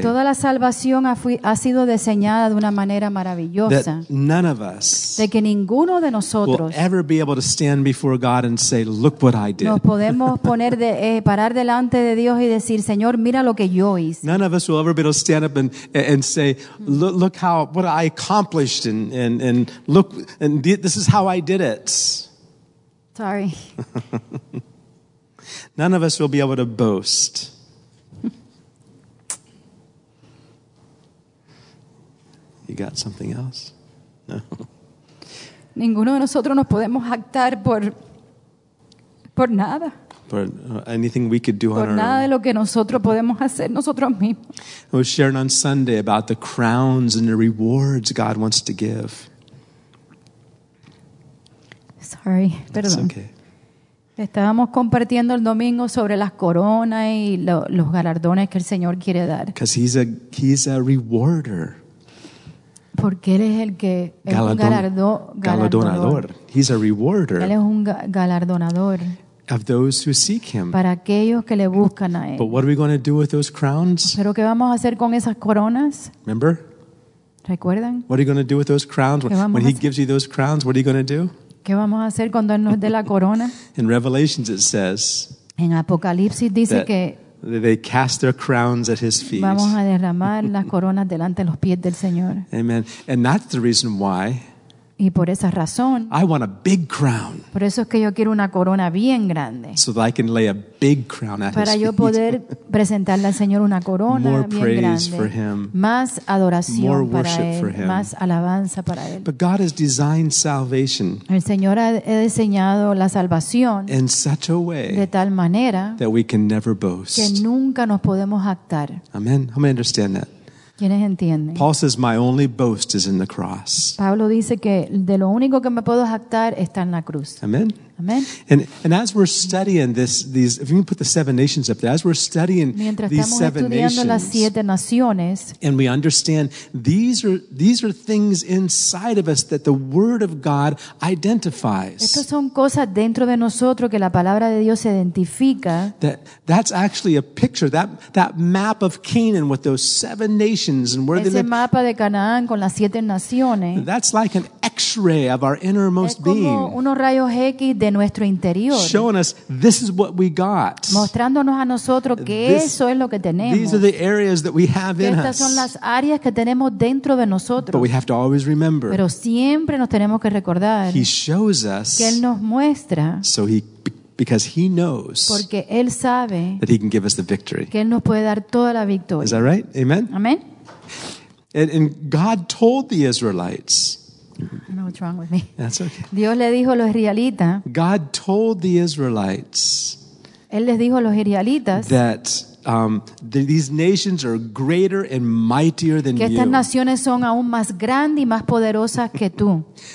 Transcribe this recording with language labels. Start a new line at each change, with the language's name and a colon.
Spanish: Toda la salvación ha sido diseñada de una manera maravillosa.
English: That none of us.
Spanish: De que ninguno de nosotros.
English: Will ever be able to stand before God and say, "Look what I did."
Spanish: Nos podemos poner de parar delante de Dios y decir, Señor, mira lo que yo hice.
English: None of us will ever be able to stand up and say, "Look how what I accomplished and look and this is how I did it." Sorry. None of us will be able to boast. You got something else? No.
Spanish: Ninguno de nosotros nos podemos jactar por nada.
English: For anything we could do on our own.
Spanish: Por nada de lo que nosotros podemos hacer nosotros mismos.
English: I was sharing on Sunday about the crowns and the rewards God wants to give. Sorry,
Spanish: perdón.
English: It's okay.
Spanish: Estábamos compartiendo el domingo sobre las coronas y los galardones que el Señor quiere dar.
English: Because he's a rewarder.
Spanish: Porque él es el que galardonador.
English: He's a rewarder.
Spanish: Él es un galardonador.
English: Of those who seek him.
Spanish: Para aquellos que le buscan a él.
English: But what are we going to do with those crowns?
Spanish: Pero qué vamos a hacer con esas coronas?
English: Remember?
Spanish: ¿Recuerdan?
English: What are you going to do with those crowns? When he gives you those crowns, what are you going to do?
Spanish: ¿Qué vamos a hacer cuando nos dé la corona?
English: In Revelations it says.
Spanish: En Apocalipsis dice que
English: they cast their crowns at his feet.
Spanish: Vamos a derramar las coronas delante de los pies del Señor.
English: Amen. And that's the reason why.
Spanish: Y por esa razón.
English: I want a big crown.
Spanish: Por eso es que yo quiero una corona bien grande.
English: So that I can lay a big crown at his feet.
Spanish: Para yo poder presentarle al Señor una corona bien grande.
English: More praise for him.
Spanish: Más adoración
English: more
Spanish: para
English: worship
Spanish: él,
English: for him.
Spanish: Más alabanza para él.
English: But God has designed salvation.
Spanish: El Señor ha diseñado la salvación.
English: In such a way.
Spanish: De tal manera.
English: That we can never boast.
Spanish: Que nunca nos podemos jactar.
English: Amen. How many understand that?
Spanish: ¿Quiénes entienden?
English: Paul says, "My only boast is in the cross."
Spanish: Pablo dice que de lo único que me puedo jactar está en la cruz.
English: Amen. Amen. And as we're studying these, if you can put the seven nations up there, as we're studying these seven nations,
Spanish: las siete naciones,
English: and we understand these are things inside of us that the Word of God identifies.
Spanish: Estos son cosas dentro de nosotros que la palabra de Dios identifica.
English: That's actually a picture that map of Canaan with those seven nations and where
Spanish: ese
English: they live.
Spanish: Ese mapa de Canaán con las siete naciones.
English: That's like an X-ray of our innermost being.
Spanish: Es como unos rayos X de nuestro interior.
English: Showing us this is what we got.
Spanish: Mostrándonos a nosotros que eso es lo que tenemos.
English: These are the areas that we have in us.
Spanish: Estas son las áreas que tenemos dentro de nosotros.
English: But we have to always remember.
Spanish: Pero siempre nos tenemos que recordar.
English: He shows us.
Spanish: Que él nos muestra.
English: So he Because he knows
Spanish: porque él sabe
English: that he can give us the victory.
Spanish: Que él nos puede dar toda la victoria.
English: Is that right? Amen? Amen. And God told the Israelites. No, what's wrong with me? That's okay.
Spanish: Dios le dijo a los israelitas.
English: God told the Israelites.
Spanish: Él les dijo a los israelitas
English: that these nations are greater and mightier than
Spanish: que estas
English: you.
Spanish: Naciones son aún más grandes y más poderosas que tú.